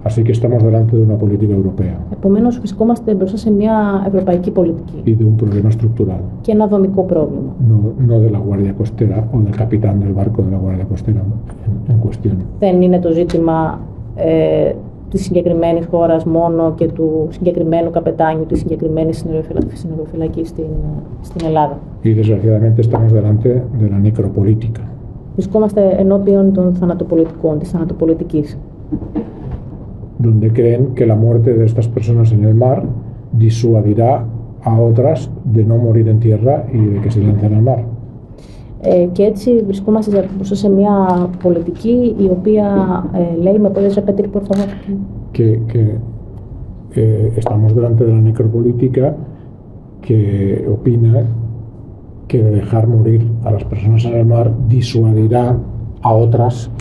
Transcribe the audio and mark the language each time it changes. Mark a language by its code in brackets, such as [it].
[es] Así que estamos delante de una política europea. [el] Επομένως βρισκόμαστε μπροστά σε μια ευρωπαϊκή πολιτική. [es] Y de un problema estructural. [el] Και ένα δομικό πρόβλημα. [es] No de la Guardia Costera o del capitán del barco de la Guardia Costera en cuestión. [el] Δεν είναι το ζήτημα της συγκεκριμένης χώρας μόνο και του συγκεκριμένου καπετάνιου, της συγκεκριμένης συνοριοφυλακής στην Ελλάδα. [es] Y desgraciadamente estamos delante de la necropolítica. [el] Βρισκόμαστε ενώπιον των θανατοπολιτικών, της θανατοπολιτικής. [es] Donde creen que la muerte de estas personas en el mar disuadirá a otras de no morir en tierra y de que se lancen al mar. [el] Και έτσι βρισκόμαστε σε μια πολιτική η οποία λέει, με πολλές [es] repetir, por favor. Que estamos delante de la necropolítica que opina que de dejar morir a las personas en el mar disuadirá a otras